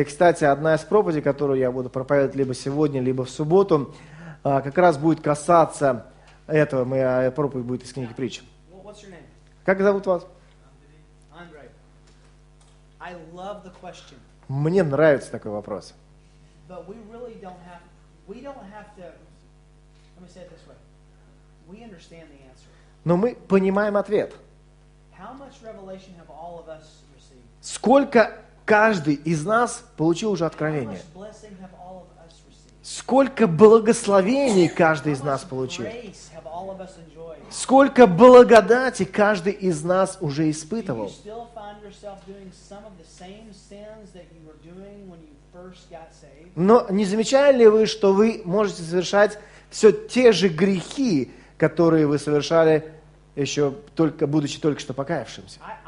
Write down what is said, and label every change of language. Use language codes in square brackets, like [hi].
[ru] И, кстати, одна из проповедей, которую я буду проповедовать либо сегодня, либо в субботу, как раз будет касаться этого. Моя проповедь будет из книги Притч. [en] What's your name? [ru] Как зовут вас? [en] Andre. I love the question. [ru] Мне нравится такой вопрос. [en] But we really don't have, let me say it this way. We understand the answer. [ru] Но мы понимаем ответ. [en] How much revelation have all of us received? [ru] Сколько каждый из нас получил уже откровение? [en] How much blessing have all of us received? [ru] Сколько благословений каждый из нас получил? [en] How much grace have all of us enjoyed? [ru] Сколько благодати каждый из нас уже испытывал? [en] Do you still find yourself doing some of the same sins that you were doing when you first got saved? [ru] Но не замечали ли вы, что вы можете совершать все те же грехи, которые вы совершали еще только будучи только что покаявшимся.